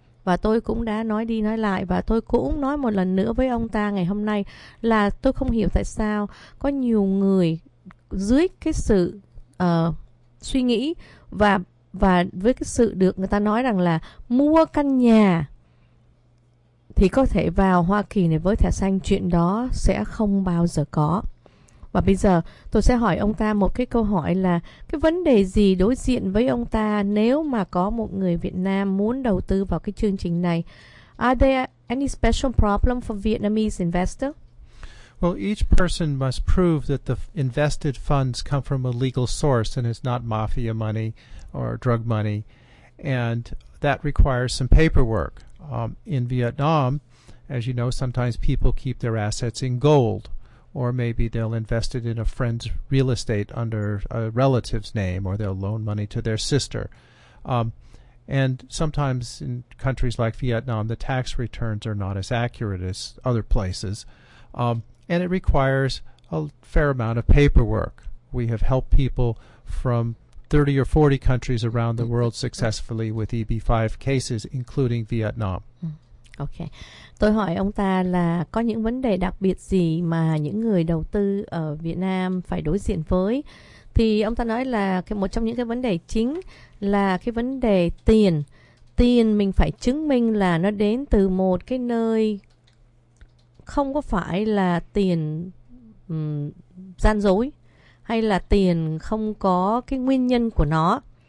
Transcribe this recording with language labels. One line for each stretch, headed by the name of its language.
Vietnamese: Và tôi cũng đã nói đi nói lại, và tôi cũng nói một lần nữa với ông ta ngày hôm nay là tôi không hiểu tại sao có nhiều người dưới cái sự suy nghĩ và với cái sự được người ta nói rằng là mua căn nhà thì có thể vào Hoa Kỳ này với thẻ xanh, chuyện đó sẽ không bao giờ có. Và bây giờ tôi sẽ hỏi ông ta một cái câu hỏi là cái vấn đề gì đối diện với ông ta nếu mà có một người Việt Nam muốn đầu tư vào cái chương trình này.
English: Are there any special problem for Vietnamese investor? Well, each person must prove that the invested funds come from a legal source and it's not mafia money or drug money, and that requires some paperwork. In Vietnam, As you know, sometimes people keep their assets in gold, or maybe they'll invest it in a friend's real estate under a relative's name, or they'll loan money to their sister. And sometimes in countries like Vietnam, the tax returns are not as accurate as other places. And it requires a fair amount of paperwork. We have helped people from 30 or 40 countries around the world successfully with EB-5 cases, including Vietnam. OK.
Vietnamese: Tôi hỏi ông ta là có những vấn đề đặc biệt gì mà những người đầu tư ở Việt Nam phải đối diện với? Thì ông ta nói là một trong những cái vấn đề chính là cái vấn đề tiền. Tiền mình phải chứng minh là nó đến từ một cái nơi không có phải là tiền gian dối, hay là tiền không có cái nguyên nhân của nó.